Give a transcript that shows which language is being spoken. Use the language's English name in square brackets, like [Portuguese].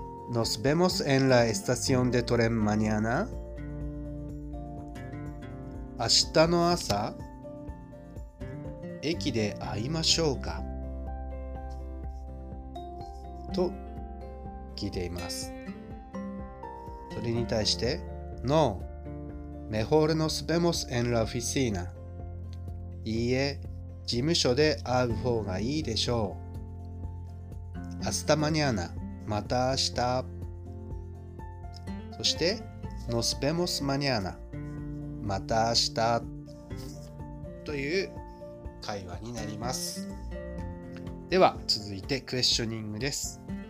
[Spanish] Nos vemos en la estación de tren mañana [Japanese] 明日の朝駅で会いましょうかと聞いています。それに対して、 [Spanish] No, mejor nos vemos en la oficina. [Japanese] いいえ、事務所で会う方がいいでしょう。 [Spanish] Hasta mañana, [Japanese] また明日。そして、 [Spanish] Nos vemos mañana, また明日。 [Japanese] という会話になります。では、続いてクエスチョニングです。